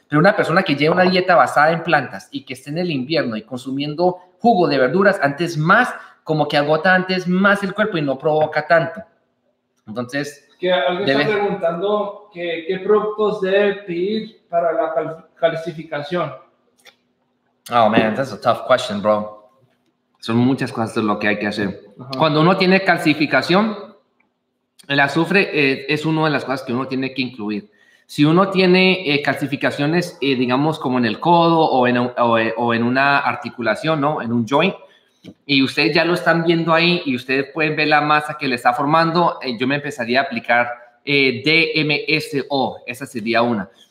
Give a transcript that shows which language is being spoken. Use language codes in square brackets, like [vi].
[es] Pero una persona que lleva una dieta basada en plantas y que esté en el invierno y consumiendo jugo de verduras, antes más, como que agota antes más el cuerpo y no provoca tanto. Entonces, que alguien debe... está preguntando que, qué productos debe pedir para la calcificación. [en] Oh, man, that's a tough question, bro. [es] Son muchas cosas lo que hay que hacer. Uh-huh. Cuando uno tiene calcificación, el azufre es una de las cosas que uno tiene que incluir. Si uno tiene calcificaciones, digamos, como en el codo o en una articulación, ¿no? En un joint, y ustedes ya lo están viendo ahí y ustedes pueden ver la masa que le está formando, yo me empezaría a aplicar DMSO. Esa sería una.